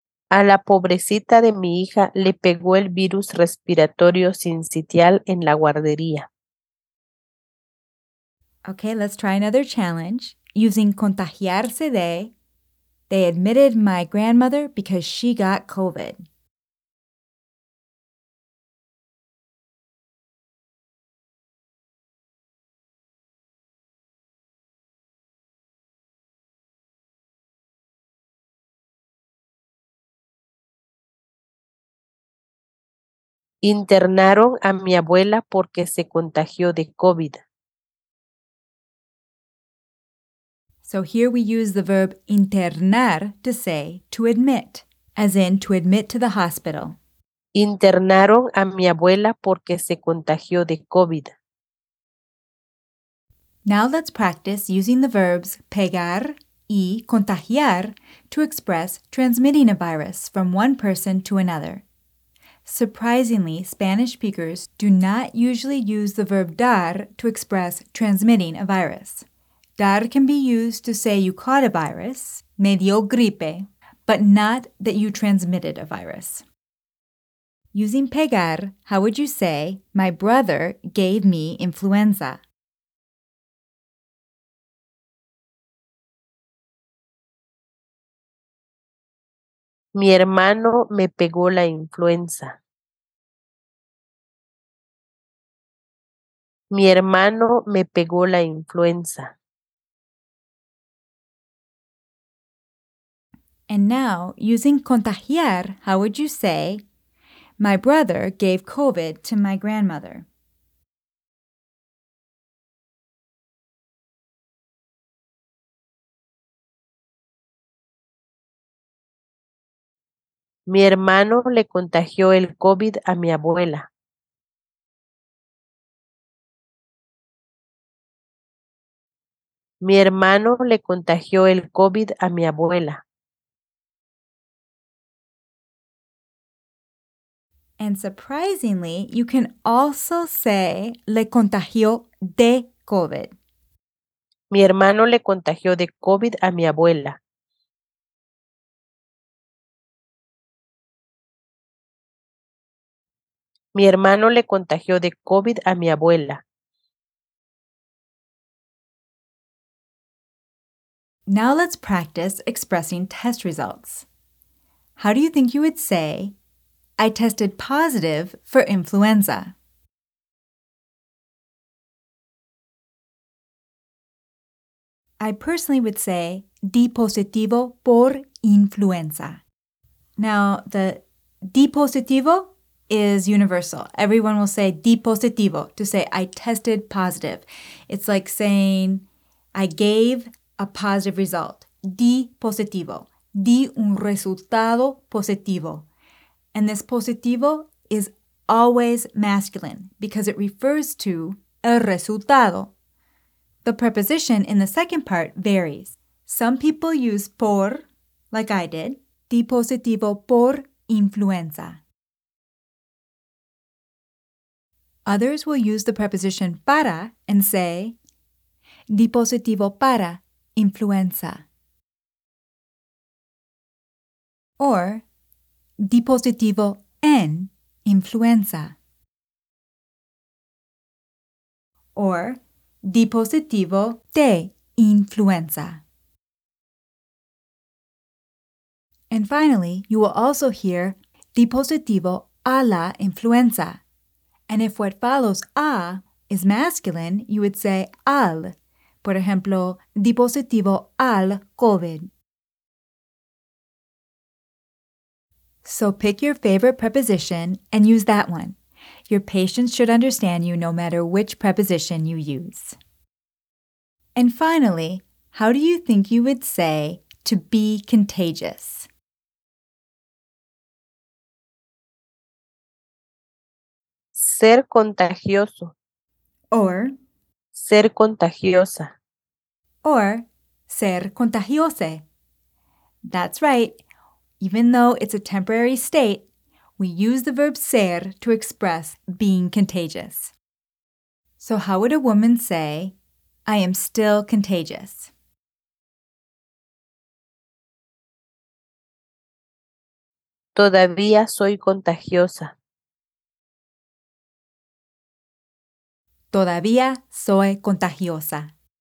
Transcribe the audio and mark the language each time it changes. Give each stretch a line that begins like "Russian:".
Spanish: A la pobrecita de mi hija le pegó el virus respiratorio sincitial en la guardería.
English: Okay, let's try another challenge. Using contagiarse de, they admitted my grandmother because she got COVID.
Spanish: Internaron a mi abuela porque se contagió de COVID.
English: So here we use the verb internar to say to admit, as in to admit to the hospital.
Spanish: Internaron a mi abuela porque se contagió de COVID.
English: Now let's practice using the verbs
Spanish: pegar y contagiar
English: to express transmitting a virus from one person to another. Surprisingly, Spanish speakers do not usually use the verb dar to express transmitting a virus. Dar can be used to say you caught a virus,
Spanish: me dio gripe,
English: but not that you transmitted a virus. Using pegar, how would you say, my brother gave me influenza?
Spanish: Mi hermano me pegó la influenza. Mi hermano me pegó la influenza.
English: And now, using contagiar, how would you say, my brother gave COVID to my grandmother?
Spanish: Mi hermano le contagió el COVID a mi abuela. Mi hermano le contagió el COVID a mi abuela.
English: And surprisingly, you can also say
Spanish: le contagió de COVID. Mi hermano le contagió de COVID a mi abuela. Mi hermano le contagió de COVID a mi abuela.
English: Now let's practice expressing test results. How do you think you would say, I tested positive for influenza? I personally would say,
Spanish: di positivo por influenza.
English: Now, the
Spanish: di positivo
English: is universal. Everyone will say
Spanish: di positivo
English: to say I tested positive. It's like saying I gave a positive result.
Spanish: Di positivo. Di un resultado positivo.
English: And this positivo is always masculine because it refers to
Spanish: el resultado.
English: The preposition in the second part varies. Some people use por, like I did,
Spanish: di positivo por influenza.
English: Others will use the preposition para and say,
Spanish: di positivo para influenza. Or, di positivo en influenza. Or, di positivo de influenza.
English: And finally, you will also hear
Spanish: di positivo a la influenza.
English: And if what follows a is masculine, you would say al.
Spanish: Por ejemplo, di positivo al COVID.
English: So pick your favorite preposition and use that one. Your patients should understand you no matter which preposition you use. And finally, how do you think you would say to be contagious?
Spanish: Ser contagioso.
English: Or,
Spanish: ser contagiosa.
English: Or,
Spanish: ser contagiose.
English: That's right. Even though it's a temporary state, we use the verb ser to express being contagious. So how would a woman say, I am still contagious?
Spanish: Todavía soy contagiosa. Todavía soy contagiosa.